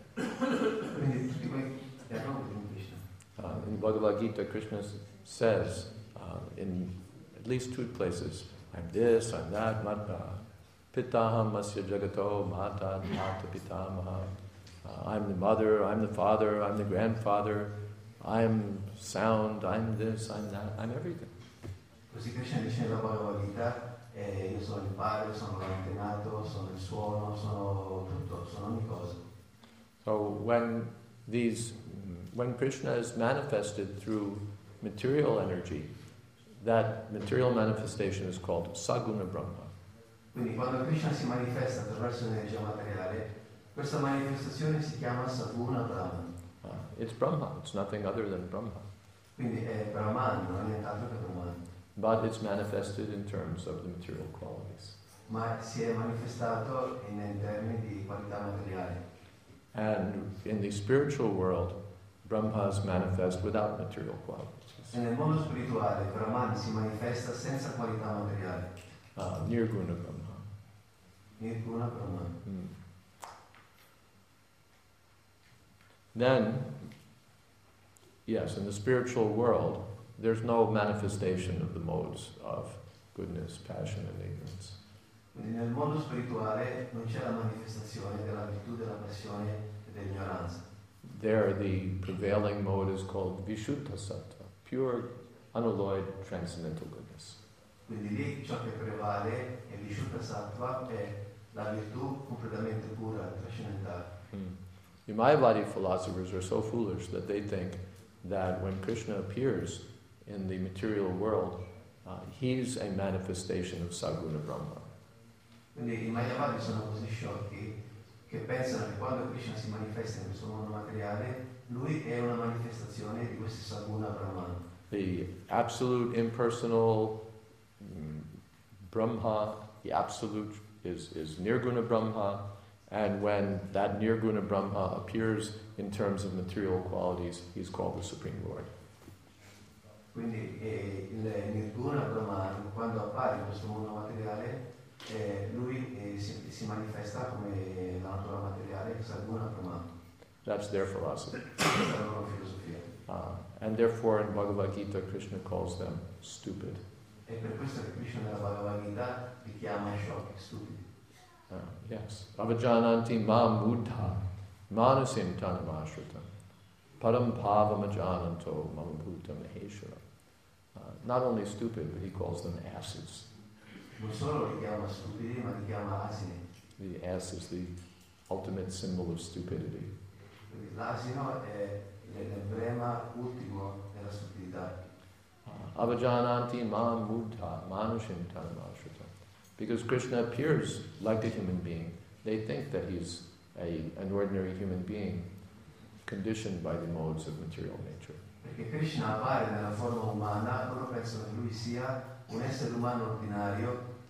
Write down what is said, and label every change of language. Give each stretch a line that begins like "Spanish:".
English: In Bhagavad Gita, Krishna says in at least two places, I'm this, I'm that,
Sanskrit: mata, pitaham masya jagato, mata, mata pitamaha.
English: I'm the mother, I'm the father, I'm the grandfather, I'm sound, I'm this, I'm that, I'm everything.
Italian: Così Krishna dice nella Bhagavad Gita, io sono il padre, sono l'antenato, sono il suono, sono tutto, sono ogni cosa.
English: So when Krishna is manifested through material energy, that material manifestation is called Saguna Brahma.
Italian: Quindi quando Krishna si manifesta attraverso l'energia materiale, questa manifestazione si chiama Saguna Brahma.
English: It's Brahma, it's nothing other than Brahma.
Italian: Quindi è Brahman, non è altro che Brahman.
English: But it's manifested in terms of the material qualities.
Italian: Ma si è manifestato in termini di qualità materiale.
English: And in the spiritual world, Brahma is manifest without material qualities.
Italian: Nel mondo spirituale, Brahman si manifesta senza qualità materiale.
English: Nirguna Brahma.
Italian: Nirguna Brahma.
English: Then, yes, in the spiritual world, there's no manifestation of the modes of goodness, passion, and ignorance.
Italian: Quindi nel mondo spirituale non c'è la manifestazione della virtù, della passione e dell'ignoranza.
English: There, the prevailing mode is called Vishuddha Sattva, pure, unalloyed, transcendental goodness.
Italian: Quindi lì ciò che prevale è Vishuddha Sattva, è la virtù completamente pura, trascendentale.
English: The Mayavadi philosophers are so foolish that they think that when Krishna appears in the material world, he's a manifestation of Saguna Brahma.
Italian: Quindi i Mayavadi sono così sciocchi che pensano che quando Krishna si manifesta in questo mondo materiale, lui è una manifestazione di questo Saguna Brahma.
English: The absolute impersonal Brahma, the absolute is Nirguna Brahma, and when that Nirguna Brahma appears in terms of material qualities, he's called the Supreme Lord.
Italian: Quindi il Nirguna Brahma, quando appare in questo mondo materiale, lui si manifesta come la natura materiale, Saguna Brahma.
English: That's their philosophy.
Italian: La loro filosofia.
English: And therefore in Bhagavad Gita Krishna calls them stupid.
Italian: E per questo che Krishna nella Bhagavad Gita li chiama sciocchi, stupidi.
Sanskrit: Yes. Avajananti ma mudha manasim tanam ashritam. Param pavam ajananto mam bhuta maheshwara.
English: Not only stupid, but he calls them asses.
Italian: Non solo li chiama stupidi, ma li chiama asini.
English: The ass is the ultimate symbol of stupidity.
Italian: L'asino è l'emblema ultimo della stupidità.
Sanskrit: Avajananti mam bhuta manasim tanam ashritam.
English: Because Krishna appears like a human being, they think that he's an ordinary human being conditioned by the modes of material nature.
Italian: Perché Krishna appare nella forma umana, loro pensano che lui sia un essere umano ordinario